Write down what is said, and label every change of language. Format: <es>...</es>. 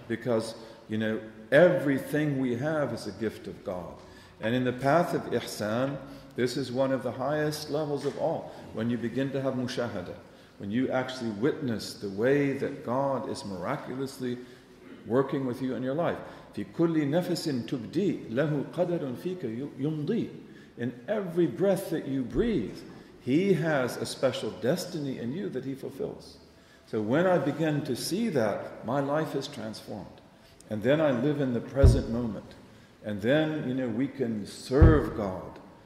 <en>Because, you know, everything we have is a gift of God. And in the path of ihsan, this is one of the highest levels of all. When you begin to have mushahada, when you actually witness the way that God is miraculously working with you in your life.</en> <ar>في كل نفس تبدي له قدر فيك يمضي.</ar> <en>In every breath that you breathe, He has a special destiny in you that He fulfills. So when I begin to see that, my life is transformed. And then I live in the present moment. And then, you know, we can serve God.</en>